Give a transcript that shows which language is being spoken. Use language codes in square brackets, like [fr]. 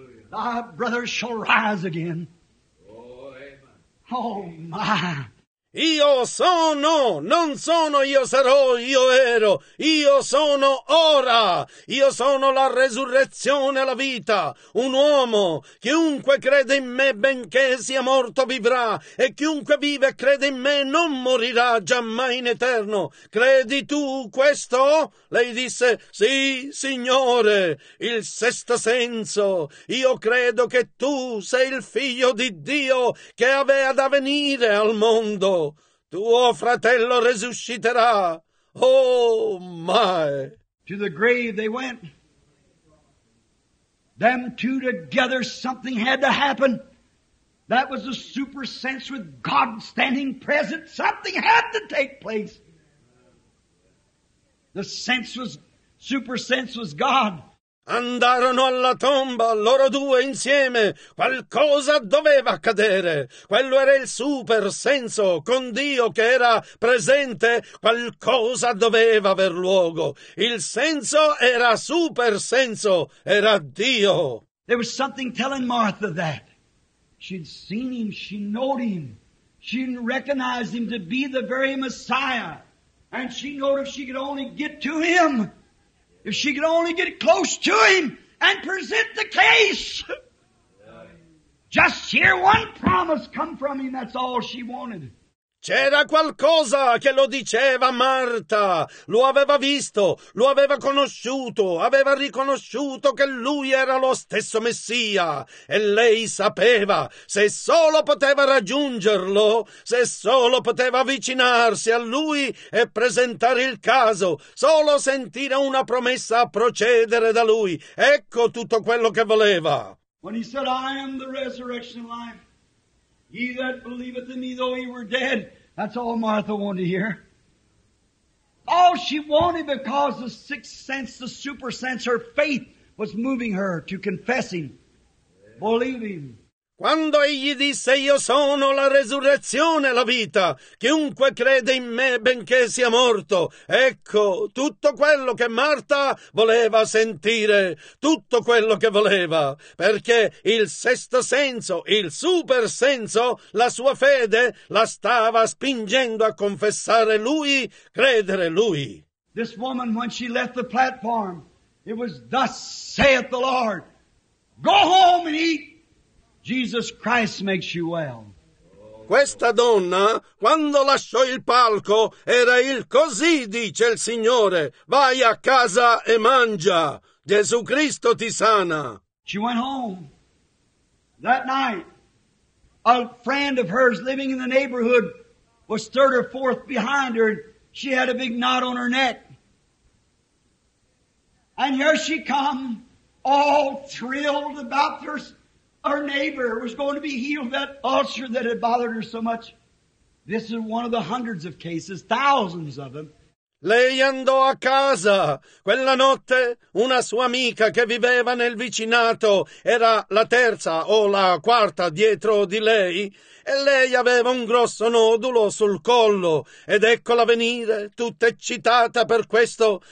[en] Thy brother shall rise again. Oh, amen. Oh, my. [it] Io sono, non sono, io sarò, io ero, io sono ora, io sono la resurrezione e la vita. Un uomo, chiunque crede in me, benché sia morto, vivrà, e chiunque vive e crede in me non morirà giammai in eterno. Credi tu questo? Lei disse, sì, Signore, il sesto senso, io credo che tu sei il figlio di Dio che aveva da venire al mondo. Tuo fratello resusciterà. [en] Oh my. To the grave they went. Them two together, something had to happen. That was a super sense with God standing present. Something had to take place. The sense was, super sense was God. [it] Andarono alla tomba, loro due insieme. Qualcosa doveva accadere. Quello era il super senso. Con Dio che era presente, qualcosa doveva aver luogo. Il senso era super senso, era Dio. [en] There was something telling Martha that. She'd seen him, she knowed him. She recognized him to be the very Messiah. And she knowed if she could only get to him. If she could only get close to him and present the case. Just hear one promise come from him, that's all she wanted. [it] C'era qualcosa che lo diceva Marta. Lo aveva visto, lo aveva conosciuto, aveva riconosciuto che lui era lo stesso Messia. E lei sapeva, se solo poteva raggiungerlo, se solo poteva avvicinarsi a lui e presentare il caso, solo sentire una promessa a procedere da lui. Ecco tutto quello che voleva. [en] When he said, I am the resurrection life. He that believeth in me, though he were dead. That's all Martha wanted to hear. All she wanted, because the sixth sense, the super sense, her faith was moving her to confess him, believe him. [it] Quando egli disse, io sono la resurrezione e la vita, chiunque crede in me benché sia morto, ecco tutto quello che Marta voleva sentire, tutto quello che voleva, perché il sesto senso, il super senso, la sua fede la stava spingendo a confessare lui, credere lui. [en] This woman, when she left the platform, it was thus saith the Lord, go home and eat. Jesus Christ makes you well. [it] Questa donna, quando lasciò il palco, era il così dice il Signore. Vai a casa e mangia. Gesù Cristo ti sana. [en] She went home. That night, a friend of hers living in the neighborhood was third or fourth behind her. She had a big knot on her neck. And here she come, all thrilled about her neighbor was going to be healed, that ulcer that had bothered her so much. This is one of the hundreds of cases, thousands of them. [it] Lei andò a casa. Quella notte una sua amica che viveva nel vicinato era la terza o la quarta dietro di lei, e lei aveva un grosso nodulo sul collo, ed eccola venire, tutta eccitata per questo.